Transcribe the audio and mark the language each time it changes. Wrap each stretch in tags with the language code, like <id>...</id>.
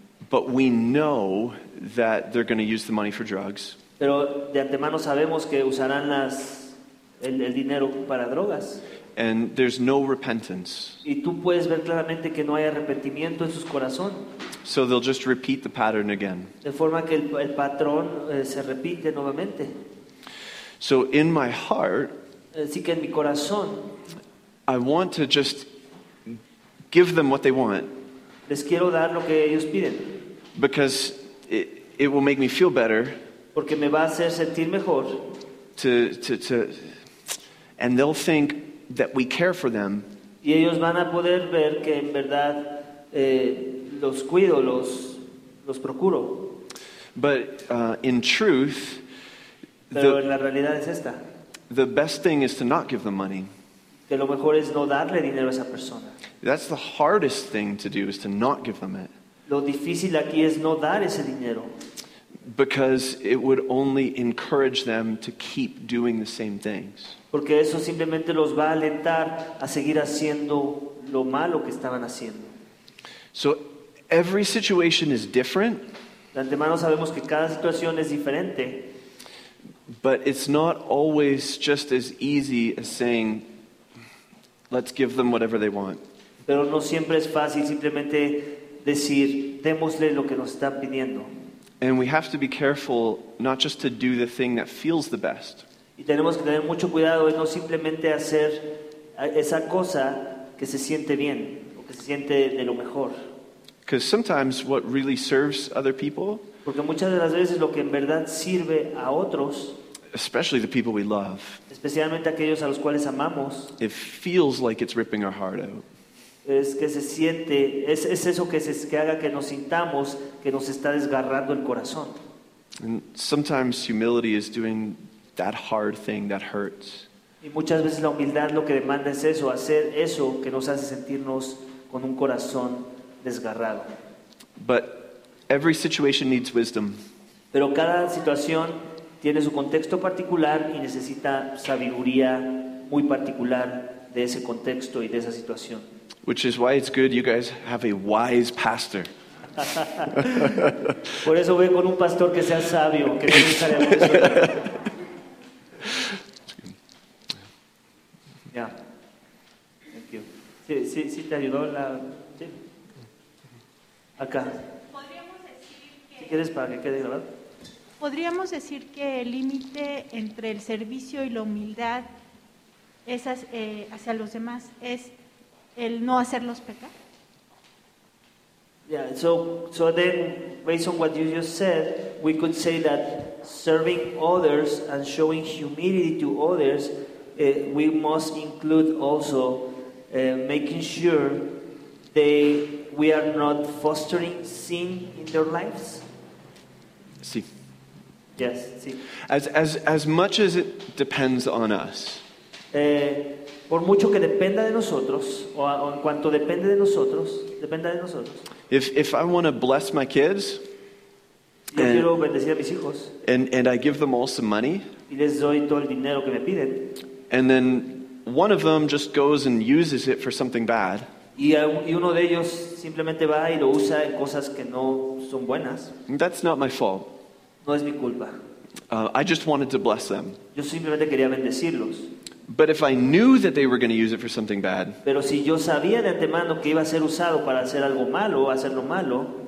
<en>But we know that they're going to use the money for drugs.</en> <es>Pero de antemano sabemos que usarán el dinero para drogas.</es> <en>And there's no repentance.</en> <es>Y tú puedes ver claramente que no hay arrepentimiento en su corazón.</es> <en>So they'll just repeat the pattern again.</en> <es>De forma que el patrón se repite nuevamente.</es> <en>So in my heart,</en> <es>así que en mi corazón,</es> <en>I want to just give them what they want.</en> <es>Les quiero dar lo que ellos piden.</es> <en>Because it will make me feel better.</en> <es>Porque me va a hacer sentir mejor.</es> <en>To and they'll think that we care for them.</en> <es>Y ellos van a poder ver que en verdad los cuido, los procuro.</es> <en>But in truth,</en> <es>pero en la realidad es esta.</es> <en>The best thing is to not give them money.</en> <es>Que lo mejor es no darle dinero a esa persona.</es> <en>That's the hardest thing to do, is to not give them it.</en> <es>Lo difícil aquí es no dar ese dinero.</es> <en>Because it would only encourage them to keep doing the same things.</en> <es>Porque eso simplemente los va a alentar a seguir haciendo lo malo que estaban haciendo.</es> <en>So every situation is different.</en> <es>De antemano sabemos que cada situación es diferente.</es> <en>But it's not always just as easy as saying, let's give them whatever they want.</en> <es>Pero no siempre es fácil simplemente decir, démosle lo que nos están pidiendo.</es> <en>And we have to be careful not just to do the thing that feels the best.</en> <es>Y tenemos que tener mucho cuidado de no simplemente hacer esa cosa que se siente bien o que se siente de lo mejor.</es> <en>Because sometimes what really serves other people,</en> <es>porque muchas de las veces lo que en verdad sirve a otros,</es> <en>especially the people we love,</en> <es>especialmente aquellos a los cuales amamos,</es> <en>it feels like it's ripping our heart out.</en> <es>Es que se siente, es eso que, que haga que nos sintamos que nos está desgarrando el corazón.</es> <en>And sometimes humility is doing that hard thing that hurts.</en> <es>Y muchas veces la humildad lo que demanda es eso, hacer eso que nos hace sentirnos con un corazón desgarrado.</es> <en>But every situation needs wisdom.</en> <es>Pero cada situación tiene su contexto particular y necesita sabiduría muy particular de ese contexto y de esa situación.</es> <en>Which is why it's good you guys have a wise pastor.</en> <es>Por eso voy con un pastor que sea sabio, que tenga mucha sabiduría.</es> <en>Yeah. Thank you.</en> <es>Sí, sí, sí te ayudó la sí. Acá. Podríamos decir que si quieres para que quede grabado. Podríamos decir que el límite entre el servicio y la humildad es hacia los demás es el no hacerlos pecar.</es> <en>Yeah, so then based on what you just said, we could say that serving others and showing humility to others, we must include also making sure they we are not fostering sin in their lives.</en> <es>Sí.</es> <en>Yes, sí. As much as it depends on us.</en> <es>Por mucho que dependa de nosotros, o en cuanto depende de nosotros, dependa de nosotros.</es> <en>If I want to bless my kids,</en> <es>quiero bendecir a mis hijos,</es> <en>and I give them all some money,</en> <es>y les doy todo el dinero que me piden,</es> <en>and then one of them just goes and uses it for something bad,</en> <es>y uno de ellos simplemente va y lo usa en cosas que no son buenas.</es> <en>That's not my fault.</en> <es>No es mi culpa.</es> <en>I just wanted to bless them.</en> <es>Yo simplemente quería bendecirlos.</es> <en>But if I knew that they were going to use it for something bad,</en> <es>pero si yo sabía de antemano que iba a ser usado para hacer algo malo o hacerlo malo,</es>